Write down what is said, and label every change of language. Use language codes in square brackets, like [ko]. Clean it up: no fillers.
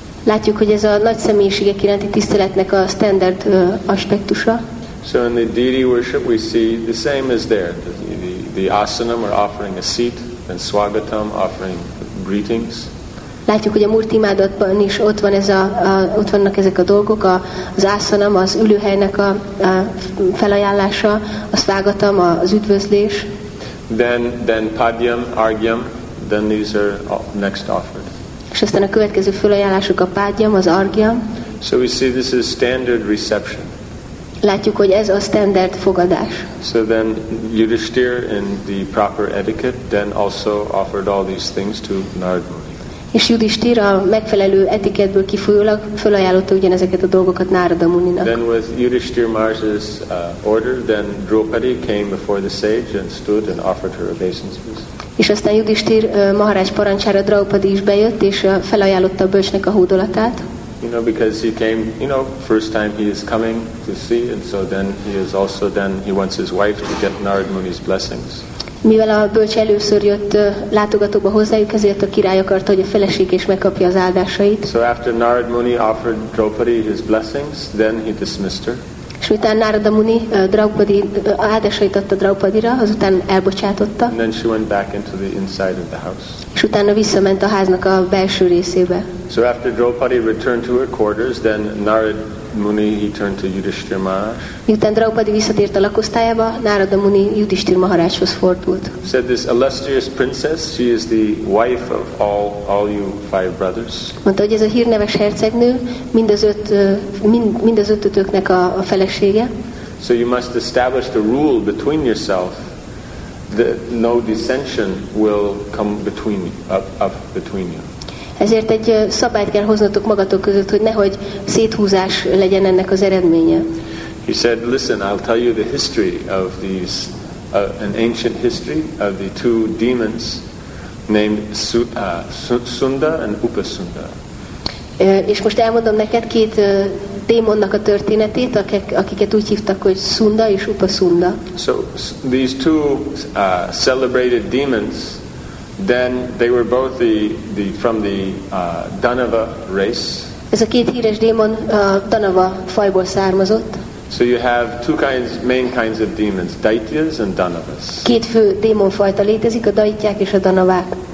[hu] Látjuk, hogy ez a nagy személyiségek iránti tiszteletnek a standard aspektusa. [en] So in the deity worship we see the same as there. The asanam, or offering a seat, and swagatam, offering greetings. [hu] Látjuk, hogy a murti imádatban is ott van ez a ott vannak ezek a dolgok, az asanam, az ülőhelynek a felajánlása, a swagatam, az üdvözlés. [en] Then padyam, argyam, then these are next offered. [hu] És aztán a következő felajánlások a padyam, az argyam. [en] So we see this is standard reception. [hu] Látjuk, hogy ez a standard fogadás. [en] So then Yudhishthir in the proper etiquette then also offered all these things to Narad Muni. [hu] És Yudhishthir a megfelelő etikettből kifolyólag felajánlotta ugyanezeket a dolgokat Narada Muninak. [en] Then with Yudhishthir Maharaj's order, then Draupadi came before the sage and stood and offered her obeisances. [hu] És aztán Yudhishthir Maharaj parancsára Draupadi is bejött, és felajánlotta a bölcsnek a hódolatát. [en] You know, because he came, you know, first time he is coming to see, and so then he is also, then he wants his wife to get Narad Muni's blessings. [hu] Mivel a bölcs először jött látogatóba hozzájuk, ezért a király akarta, hogy a feleség is megkapja az áldásait. [en] So after Narad Muni offered Draupadi his blessings, then he dismissed her. [hu] És miután Narada Muni Draupadi áldásait adta Draupadira, azután elbocsátotta. [en] And then she went back into the inside of the house. [hu] És utána visszament a háznak a belső részébe. [en] So after Draupadi returned to her quarters, then Narad Muni, he turned to Yudhishthir Maharaj. [hu] Miután Draupadi visszatért a lakosztályába, Narada Muni Yudhishthir Maharajhoz fordult. [en] Said this illustrious princess, she is the wife of all you five brothers. [hu] Mondta, hogy ez a hírneves hercegnő mind az ötötöknek a felesége. [en] So you must establish the rule between yourself that no dissension will come between you, up between you. [hu] Ezért egy szabályt kell hoznatok magatok között, hogy nehogy széthúzás legyen ennek az eredménye. [en] He said, listen, I'll tell you the history of these, an ancient history of the two demons named Sunda and Upasunda. [hu] És most elmondom neked két démonnak a történetét, akiket úgy hívtak, hogy Sunda és Upasunda. [en] So these two celebrated demons, then they were both the from the Danava race. [hu] Ez a két híres démon Danava fajból származott. [en] So you have two kinds, main kinds of demons, daityas and danavas. [hu] Két fő démon fajta létezik, a daityák és a danavák.